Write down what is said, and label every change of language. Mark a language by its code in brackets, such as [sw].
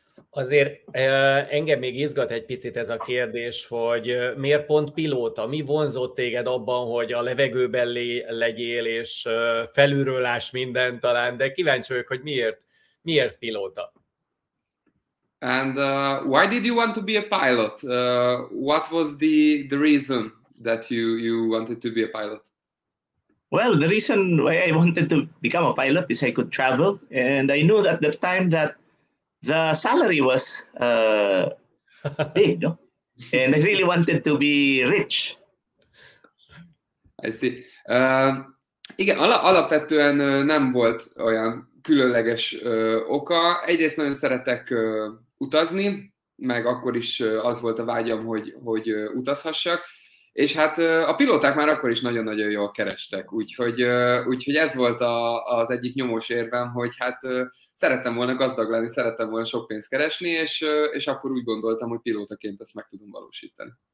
[hu] Azért engem még izgat egy picit ez a kérdés, hogy miért pont pilóta? Mi vonzott téged abban, hogy a levegőben legyél, és felülről láss minden talán, de kíváncsi vagyok, hogy miért pilóta? [en] And why did you want to be a pilot? What was the reason that you wanted to be a pilot? Well, the reason why I wanted to become a pilot is I could travel. And I knew at the time that the salary was big, no? And I really wanted to be rich. I see. [hu] Igen, alapvetően nem volt olyan különleges oka. Egyrészt nagyon szeretek utazni, meg akkor is az volt a vágyam, hogy utazhassak. És hát a pilóták már akkor is nagyon-nagyon jól kerestek, úgyhogy ez volt az egyik nyomós érvem, hogy hát szerettem volna gazdag lenni, szerettem volna sok pénzt keresni, és akkor úgy gondoltam, hogy pilótaként ezt meg tudom valósítani.